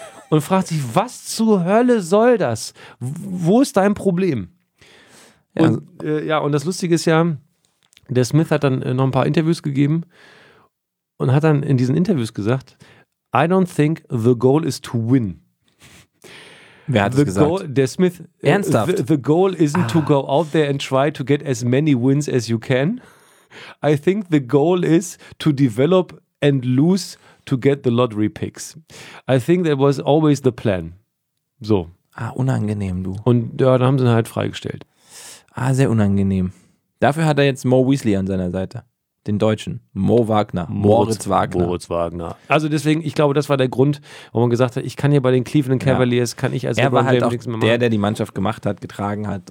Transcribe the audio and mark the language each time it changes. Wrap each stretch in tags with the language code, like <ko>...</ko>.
<de>Und fragt sich, was zur Hölle soll das? Wo ist dein Problem? Ja. Und das Lustige ist ja, der Smith hat dann noch ein paar Interviews gegeben und hat dann in diesen Interviews gesagt,</de> <en>I don't think the goal is to win.</en> <de>Wer hat das gesagt? Der Smith. Ernsthaft?</de> <en>The goal isn't to go out there and try to get as many wins as you can. I think the goal is to develop and lose to get the lottery picks. I think that was always the plan. So.</en> <de>Ah, unangenehm, du. Und ja, da haben sie ihn halt freigestellt. Ah, sehr unangenehm. Dafür hat er jetzt Mo Weasley an seiner Seite. Den Deutschen. Mo Wagner. Moritz Wagner. Also deswegen, ich glaube, das war der Grund, wo man gesagt hat, ich kann hier bei den Cleveland Cavaliers, kann ich als LeBron James nichts mehr machen. Er war halt der die Mannschaft gemacht hat, getragen hat.</de>